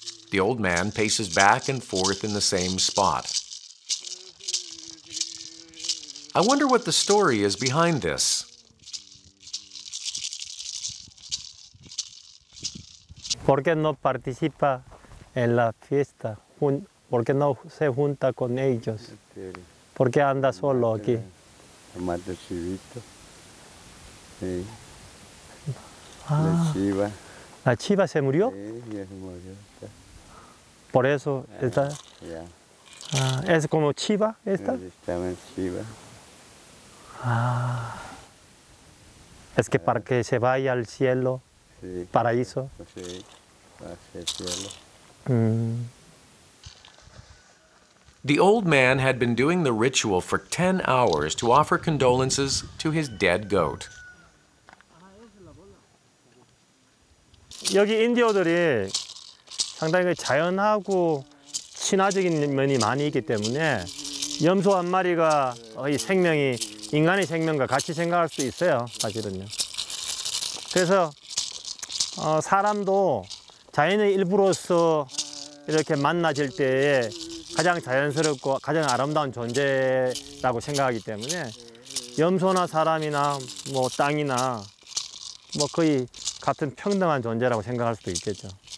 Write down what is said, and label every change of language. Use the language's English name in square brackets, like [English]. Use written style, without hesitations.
[English] The old man paces back and forth in the same spot. I wonder what the story is behind this. [Spanish] ¿Por qué no participa en la fiesta? ¿Por qué no se junta con ellos? ¿Por qué anda solo aquí? Mate chivito. Sí. La chiva. ¿La chiva se murió? Sí, ya se murió. Por eso está. ¿Es como chiva esta? Exactamente, chiva. Es que para que se vaya al cielo, sí. Paraíso. Sí. [English] The old man had been doing the ritual for 10 hours to offer condolences to his dead goat. [Korean] 여기 인디오들이 상당히 자연하고 친화적인 면이 많이 있기 때문에 염소 한 마리가 이 생명이 인간의 생명과 같이 생각할 수 있어요, 사실은요. 그래서 사람도 자연의 일부로서 이렇게 만나질 때에 가장 자연스럽고 가장 아름다운 존재라고 생각하기 때문에 염소나 사람이나 뭐 땅이나 뭐 거의 같은 평등한 존재라고 생각할 수도 있겠죠.